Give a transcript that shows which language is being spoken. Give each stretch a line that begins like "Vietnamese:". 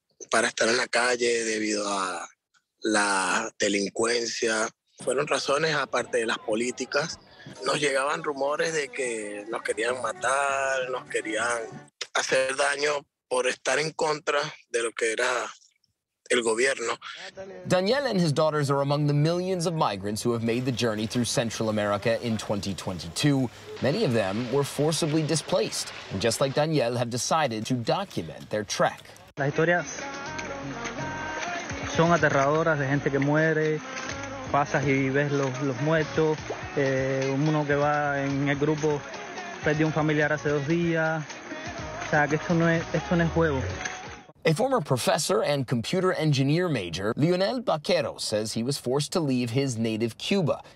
Spanish: Para estar en la calle debido a la delincuencia. Fueron razones aparte de las políticas. Nos llegaban rumores de que nos querían matar, nos querían hacer daño por estar en contra de lo que era el gobierno.
English: Daniel and his daughters are among the millions of migrants who have made the journey through Central America in 2022. Many of them were forcibly displaced, and just like Daniel, have decided to document their trek.
Spanish: Las historias son aterradoras, de gente que muere, pasas y ves los muertos, uno que va en el grupo perdió un familiar hace 2 días. O sea, que esto no es juego.
English: A former professor and computer engineer major, Lionel Baquero, says he was forced to leave his native Cuba.